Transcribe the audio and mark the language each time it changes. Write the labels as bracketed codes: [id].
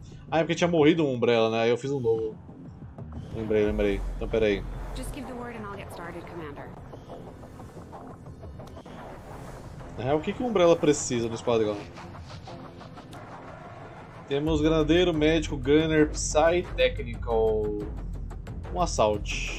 [pt] Ah, é porque tinha morrido um Umbrella, né? Aí eu fiz um novo. Lembrei, lembrei. Então pera aí. [en] Just give the word and I'll get started, Commander. [pt] Na real, o que que o Umbrella precisa no esquadrão? Temos Granadeiro, Médico, Gunner, Psy, Technical. Um assalto.